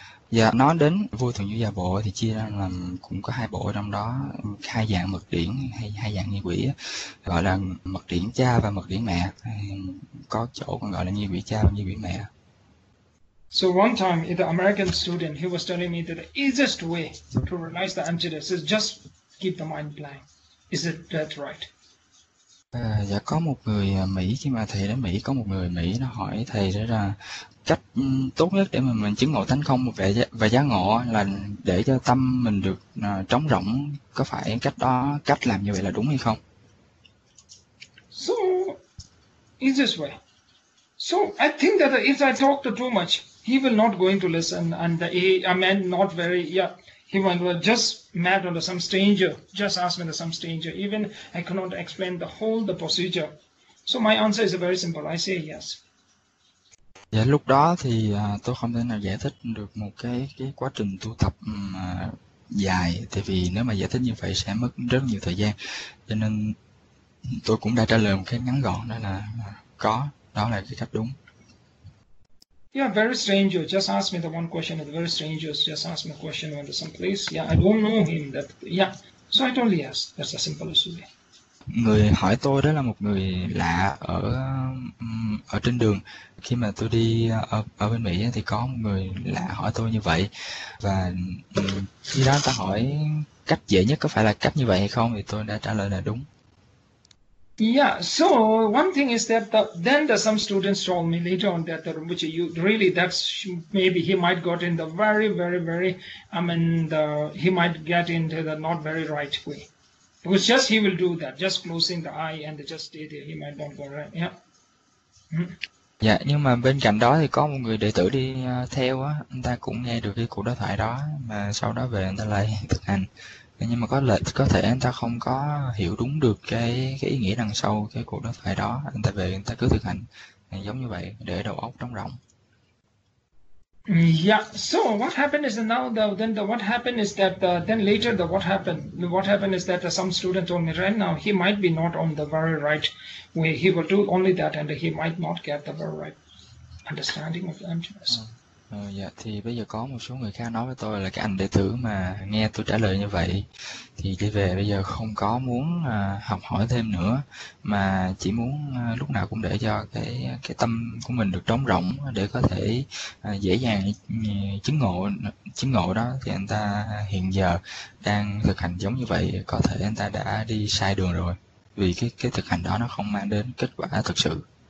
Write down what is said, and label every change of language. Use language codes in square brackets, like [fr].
[vi] Dạ, nói đến vô thượng như gia bộ thì chia ra làm cũng có hai bộ trong đó, hai dạng mật điển hay hai dạng nghi quỷ gọi là mật điển cha và mật điển mẹ, có chỗ còn gọi là nghi quỷ cha và nghi quỷ mẹ. [en] So one time, the American student, he was telling me that the easiest way to realize the emptiness is just keep the mind blank. Is it that right? [vi] À, dạ có một người Mỹ khi mà thầy đến Mỹ có một người Mỹ nó hỏi thầy đó là cách tốt nhất để mà mình chứng ngộ tánh không và giác ngộ là để cho tâm mình được trống rỗng có phải cách đó cách làm như vậy là đúng hay không? [en] Easiest way. So I think that if I talk too much, he will not going to listen, and he, I mean, not very. Yeah, he went just mad on some stranger. Just ask me some stranger. Even I cannot explain the whole the procedure. So my answer is very simple. I say yes. [vi] Dạ, lúc đó thì tôi không thể nào giải thích được một cái quá trình tu tập dài, tại vì nếu mà giải thích như vậy sẽ mất rất nhiều thời gian, cho nên tôi cũng đã trả lời một cái ngắn gọn đó là có, đó là cái cách đúng. [en] Yeah, very strange. You just ask me the one question. The very strange. You just ask me a question on some place. Yeah, I don't know him. That yeah. So I told yes. That's as simple as you. [vi] Người hỏi tôi đó là một người lạ ở ở trên đường khi mà tôi đi ở bên Mỹ thì có một người lạ hỏi tôi như vậy và khi đó ta hỏi cách dễ nhất có phải là cách như vậy hay không thì tôi đã trả lời là đúng. [en] Yeah, so one thing is that then the some students told me later on that which you really that's maybe he might got in the very very very I mean the he might get into the not very right way because just he will do that just closing the eye and just stay there he might not go right. [vi] Dạ, nhưng mà bên cạnh đó thì có một người đệ tử đi theo á, anh ta cũng nghe được cái cuộc đối thoại đó mà sau đó về anh ta lại thực hành. Nhưng mà có thể anh ta không có hiểu đúng được cái ý nghĩa đằng sau cái cuộc đối thoại đó, anh ta về anh ta cứ thực hành giống như vậy để đầu óc trống rỗng. [en] So what happened is that now what happened is that some student told me right now he might be not on the very right way. He will do only that and he might not get the very right understanding of emptiness. [vi] Dạ thì bây giờ có một số người khác nói với tôi là cái anh đệ tử mà nghe tôi trả lời như vậy thì đi về bây giờ không có muốn học hỏi thêm nữa mà chỉ muốn lúc nào cũng để cho cái tâm của mình được trống rỗng để có thể dễ dàng chứng ngộ đó, thì anh ta hiện giờ đang thực hành giống như vậy, có thể anh ta đã đi sai đường rồi vì cái thực hành đó nó không mang đến kết quả thực sự.